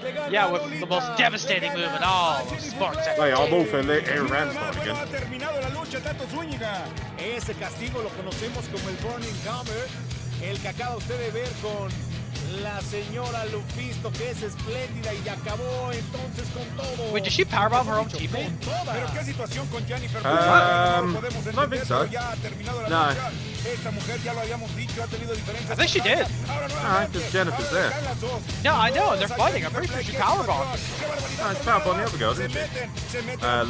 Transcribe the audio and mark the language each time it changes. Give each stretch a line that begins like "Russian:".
English: Yeah, with the most devastating move at all. Oh, hey, I'm all for Aeron Ramstein again.
Spanish: Ese castigo lo conocemos como el Burning Hammer, el que acaba usted de ver con la señora Lufisto, que es espléndida y acabó entonces con todo.
English: Wait, did she powerbomb her own people?
Spanish: Pero qué situación con Jennifer.
English: No think so.
Spanish: Ya ha terminado la lucha. Esta mujer ya lo habíamos dicho, ha tenido diferencias.
English: I think she did. Because Jennifer's there. No, I know, and they're fighting. I'm pretty sure she powerbombed. No, she powerbombed the other girl, didn't she?